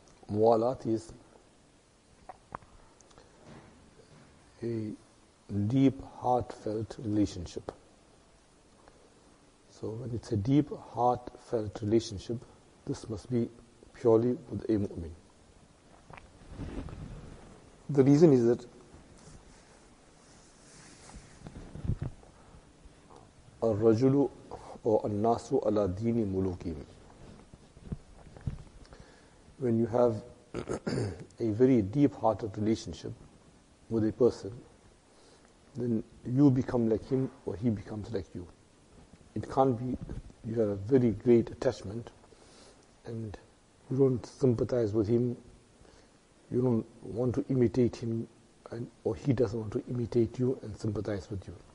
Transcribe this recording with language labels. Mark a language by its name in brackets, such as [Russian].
[English] Muwalat is a deep, heartfelt relationship. So when it's a deep, heartfelt relationship, this must be purely with a mu'min. The reason is that [Arabic] الرَّجُلُ وَالنَّاسُ عَلَى دِينِ مُلُوكِهِمْ. [English] When you have a very deep-hearted relationship with a person, then you become like him or he becomes like you. It can't be you have a very great attachment and you don't sympathize with him, you don't want to imitate him, or he doesn't want to imitate you and sympathize with you.